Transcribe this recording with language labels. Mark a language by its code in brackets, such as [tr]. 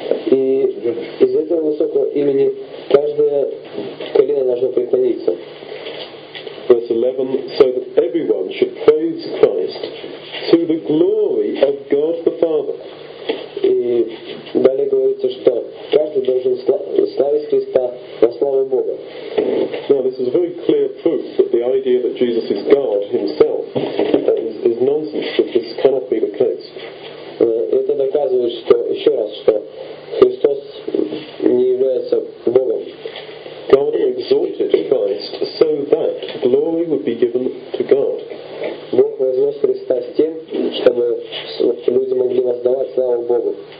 [ru] И из этого высокого имени каждое колено должно преклониться. [en] Verse 11, so that everyone should praise Christ to the glory of God the Father. [ru] И далее говорится, что каждый должен славить Христа во славу Бога. [en] Now this is a very clear proof that the idea that Jesus is God himself is nonsense, that this cannot be the case. [ru] Это доказывает, что еще раз, что Христос не является Богом. [en] God exalted Christ so that glory would be given to God. [ru] Бог вознес Христа с тем, чтобы люди могли воздавать славу Богу.